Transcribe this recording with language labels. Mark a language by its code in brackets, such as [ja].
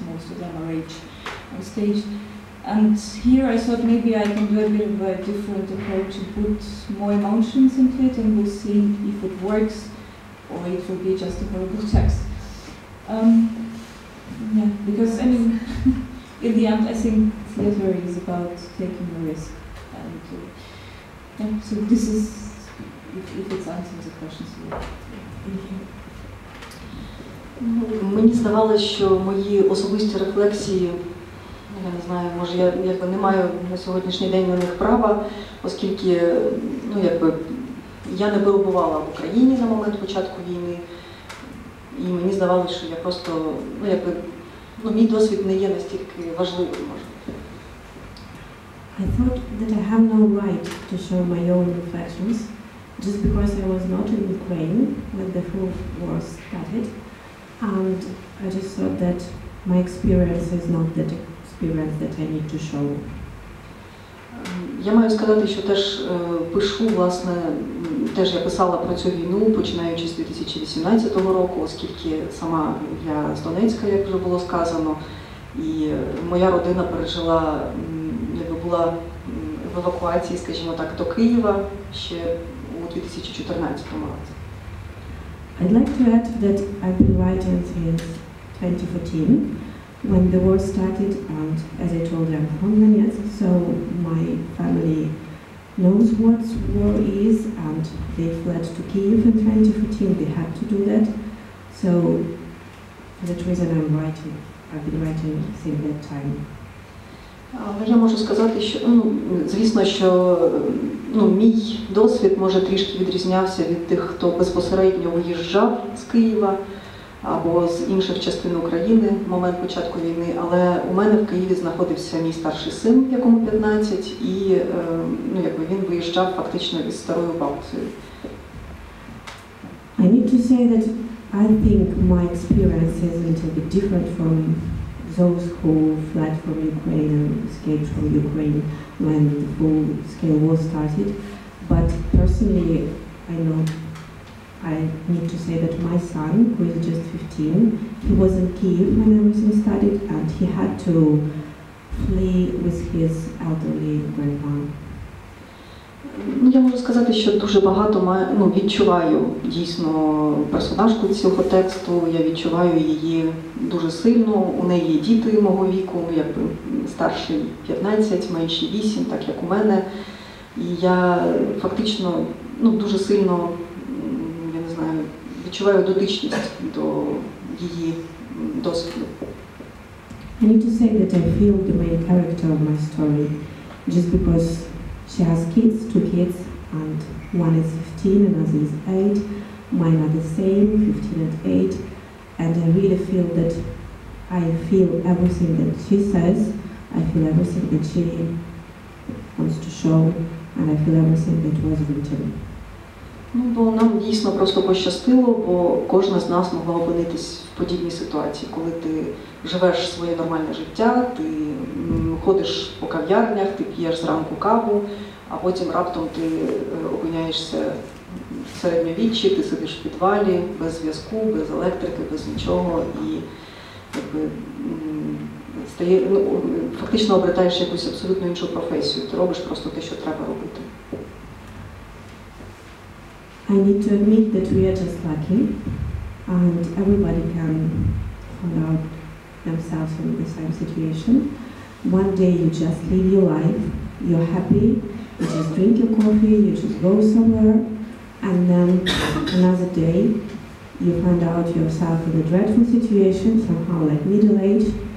[en] Most of them are age on stage. And here I thought maybe I can do a bit of a different approach and put more emotions into it, and we'll see if it works or if it will be just a horrible text. Because I mean, in the end, I think theater is about taking a risk. And so this is, if it's answering the questions. Yeah. [uk] Мені здавалося, що мої особисті рефлексії, я не знаю, може я якби не маю на сьогоднішній день на них права, оскільки ну, якби, я не перебувала в Україні на момент початку війни, і мені здавалося, що я просто, ну якби, ну мій досвід не є настільки важливим, може. [en] I thought that I have no right to show my own reflections just because I was not in Ukraine when the whole war started. And I just thought that my experience is not that experience that I need to show. [uk] Я маю сказати, що теж пишу, власне, теж я писала про цю війну, починаючи з 2018 року, оскільки сама я з Донецька, як вже було сказано, і моя родина пережила, якби була в евакуації, скажімо так, до Києва ще у 2014 році. [en] I'd like to add that I've been writing since 2014, when the war started, and as I told, I'm from Donetsk, so my family knows what war is, and they fled to Kyiv in 2014, they had to do that. So for that reason I'm writing, I've been writing since that time. [uk] Я можу сказати, що, ну, звісно, що ну, мій досвід може трішки відрізнявся від тих, хто безпосередньо виїжджав з Києва або з інших частин України в момент початку війни. Але у мене в Києві знаходився мій старший син, якому 15, і ну, якби він виїжджав фактично із старою бабцею. [en] I need to say that I think my experience is a little bit different from those who fled from Ukraine and escaped from Ukraine when the full-scale war started. But personally, I know, I need to say that my son, who is just 15, he was in Kyiv when everything started, and he had to flee with his elderly grandma. [uk] Ну, я можу сказати, що дуже багато ну, відчуваю дійсно персонажку цього тексту, я відчуваю її дуже сильно, у неї є діти мого віку, якби старший 15, менший 8, так як у мене. І я фактично ну, дуже сильно, я не знаю, відчуваю дотичність до її досвіду. [en] I need to say that I feel the main character of my story just because she has kids, two kids, and one is 15, another is 8. Mine are the same, 15 and 8. And I really feel that I feel everything that she says, I feel everything that she wants to show, and I feel everything that was written. [uk] Ну, бо нам дійсно просто пощастило, бо кожна з нас могла опинитись в подібній ситуації, коли ти живеш своє нормальне життя, ти ходиш по кав'ярнях, ти п'єш зранку каву, а потім раптом ти опиняєшся в середньовіччі, ти сидиш в підвалі, без зв'язку, без електрики, без нічого, і якби, стає, ну, фактично обретаєш якусь абсолютно іншу професію, ти робиш просто те, що треба робити. [en] I need to admit that we are just lucky, and everybody can find out themselves in the same situation. One day you just live your life, you're happy, you just drink your coffee, you just go somewhere, and then another day you find out yourself in a dreadful situation, somehow like middle age.